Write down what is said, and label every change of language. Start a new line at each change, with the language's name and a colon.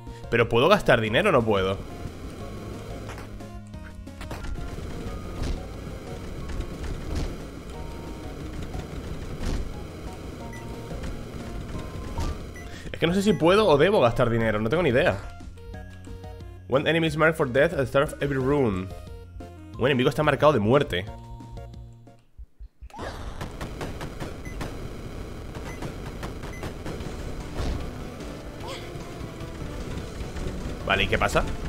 Spanish: Pero puedo gastar dinero, no puedo. Es que no sé si puedo o debo gastar dinero, no tengo ni idea.
English: When enemies mark for death at the start of every room.
Spanish: Un enemigo está marcado de muerte. Vale, ¿y qué pasa?